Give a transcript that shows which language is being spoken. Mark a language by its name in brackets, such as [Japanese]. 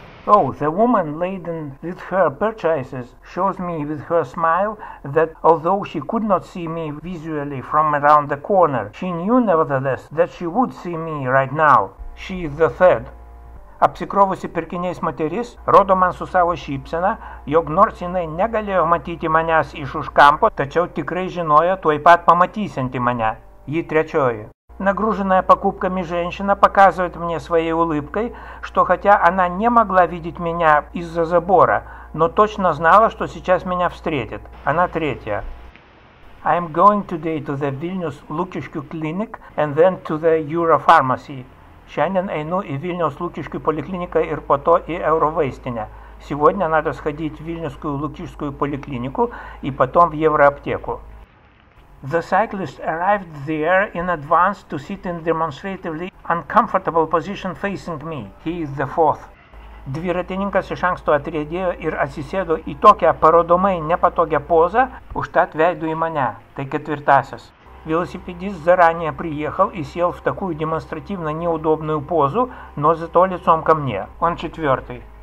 [English] Oh, the woman laden with her purchases shows me with her smile that although she could not see me visually from around the corner, she knew nevertheless that she would see me right now. She is the third. [Lithuanian] Apsikrovusi pirkiniais moteris rodo man su savo šypsena, jog nors jinai negalėjo matyti manęs iš už kampo, tačiau tikrai žinojo tuoj pat pamatysianti mane. Ji trečioji. [Russian] Нагруженная покупками женщина показывает мне своей улыбкой, что хотя она не могла видеть меня из-за забора, но точно знала, что сейчас меня встретит. Она третья. [English] I'm going today to the Vilnius Lukiškių clinic and then to the Europharmacy. [Lithuanian] Šiandien einu į Vilnius Lukiškių поликлиniką ir по то į Eurovaistinę. [Russian] Сегодня надо сходить в Вильнюсскую Лукишскую поликлинику и потом в Евроаптеку. [English] The cyclist arrived there in advance to sit in demonstratively uncomfortable position facing me. He is the fourth. [Lithuanian] Dviratininkas iš anksto atriedėjo ir atsisėdo į tokią parodomai nepatogią pozą, užtat veidu į mane. Tai ketvirtasis. [Russian] Велосипедист заранее приехал и сел в такую демонстративно неудобную позу, но зато лицом ко мне. Он четвертый.